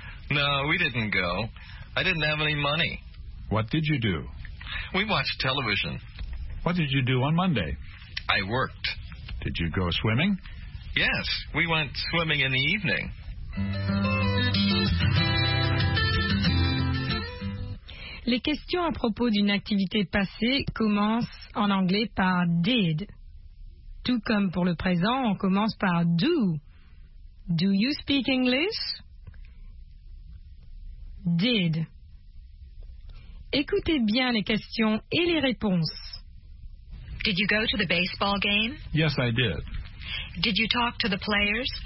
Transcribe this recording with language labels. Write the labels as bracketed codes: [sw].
[en] No, we didn't go. I didn't have any money. What did you do? We watched television. What did you do on Monday? I worked. Did you go swimming? Yes, we went swimming in the evening. [fr] Les questions à propos d'une activité passée commencent en anglais par did. Tout comme pour le présent, on commence par do. [en] Do you speak English? [fr] Did. Écoutez bien les questions et les réponses. [en] Did you go to the baseball game? Yes, I did. Did you talk to the players?